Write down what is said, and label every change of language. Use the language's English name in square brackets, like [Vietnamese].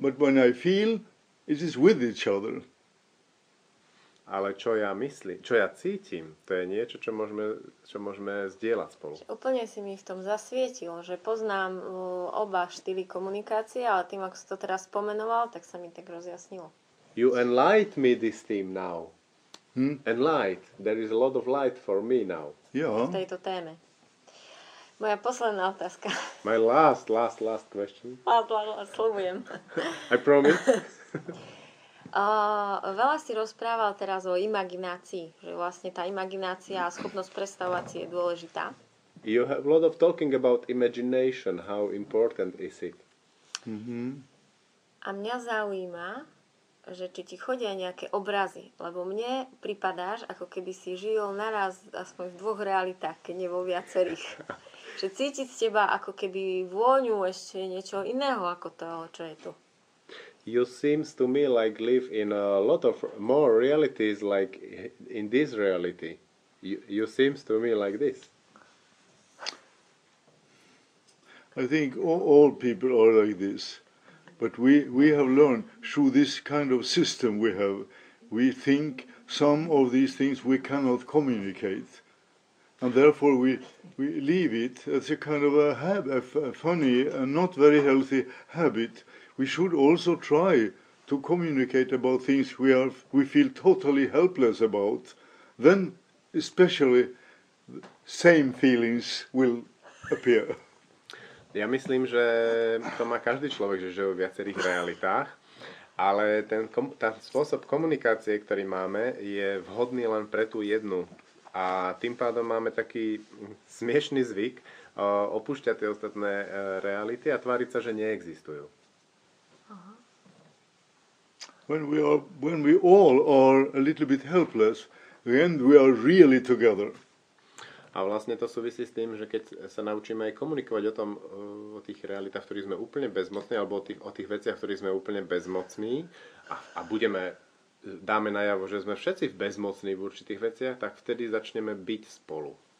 [English] But when I feel, it is with each other. [Slovak] Ale čo ja myslím, čo ja cítim, to je niečo, čo môžeme zdieľať spolu. Úplne si mi v tom zasvietil, že poznám oba štýly komunikácie, ale tým, ako si to teraz spomenoval, tak sa mi tak rozjasnilo. [English] You enlighten me this theme now. And light. There is a lot of light for me now. Yeah. [Slovak] V tejto téme. Moja posledná otázka. [English] My last question. Last, [Slovak] slúbujem. [English] I promise. [Slovak] Veľa si rozprával teraz o imaginácii. Že vlastne tá imaginácia a schopnosť predstavovať si je dôležitá. [English] You have a lot of talking about imagination. How important is it? Mm-hmm. [Slovak] A mňa zaujíma, že či ti chodia nejaké obrazy, lebo mne pripadáš, ako keby si žil naraz aspoň v dvoch realitách, keď nie vo viacerých. Že cítiť z teba ako keby vôňu ešte niečo iného ako toho, čo je tu. [English] You seems to me like live in a lot of more realities like in this reality. You seems to me like this. I think all people are like this. But we have learned through this kind of system we have, we think some of these things we cannot communicate. And therefore we leave it as a kind of a funny and not very healthy habit. We should also try to communicate about things we feel totally helpless about. Then especially the same feelings will appear. [Slovak] Ja myslím, že to má každý človek, že žijú v viacerých realitách, ale ten spôsob komunikácie, ktorý máme, je vhodný len pre tú jednu. A tým pádom máme taký smiešný zvyk opúšťať tie ostatné reality a tváriť sa, že neexistujú. [English] When we all are a little bit helpless, then we are really together. [Slovak] A vlastne to súvisí s tým, že keď sa naučíme aj komunikovať o tom, o tých realitách, ktorých sme úplne bezmocní, alebo o tých veciach, ktorých sme úplne bezmocní a budeme, dáme najavo, že sme všetci bezmocní v určitých veciach, tak vtedy začneme byť spolu.